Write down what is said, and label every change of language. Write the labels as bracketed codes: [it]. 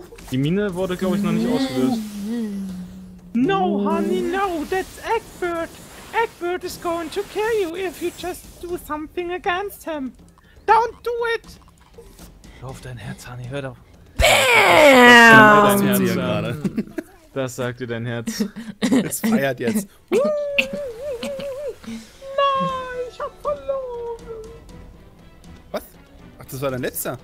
[de] Die Mine wurde, glaube ich, noch nicht ausgelöst. [en] No, honey, no, that's Egbert. Egbert is going to kill you if you just do something against him. Don't do it! [de] Hör auf dein Herz, honey, hör auf. Bam! Das sagt dir gerade. Das sagt dir dein Herz. Es feiert jetzt. Nein, ich hab verloren. Was? Ach, das war dein letzter?